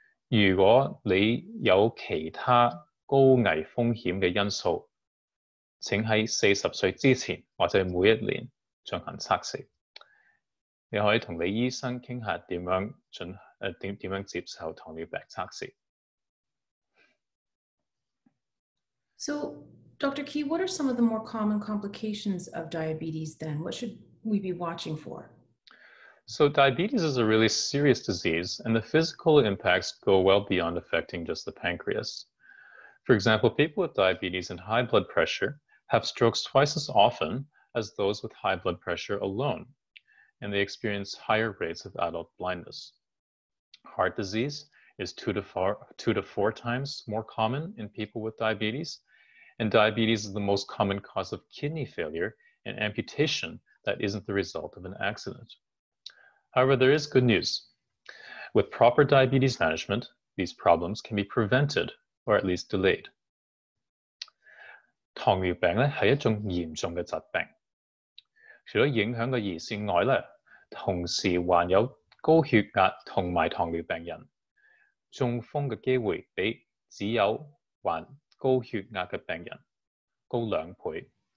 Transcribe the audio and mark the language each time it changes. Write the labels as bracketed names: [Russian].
[Chinese] 如果你有其他高危風險的因素，請在40歲之前或者每一年進行測試。你可以跟你醫生談談怎樣接受糖尿病測試。 [English] So, Dr. Key, what are some of the more common complications of diabetes then? What should we be watching for? So diabetes is a really serious disease, and the physical impacts go well beyond affecting just the pancreas. For example, people with diabetes and high blood pressure have strokes twice as often as those with high blood pressure alone, and they experience higher rates of adult blindness. Heart disease is two to four times more common in people with diabetes, and diabetes is the most common cause of kidney failure and amputation that isn't the result of an accident. However, there is good news. With proper diabetes management, these problems can be prevented or at least delayed. [Chinese] 糖尿病是一种严重的疾病。除了影响的胰腺外，同时患有高血压和糖尿病人，中风的机会比只有患高血压的病人高两倍。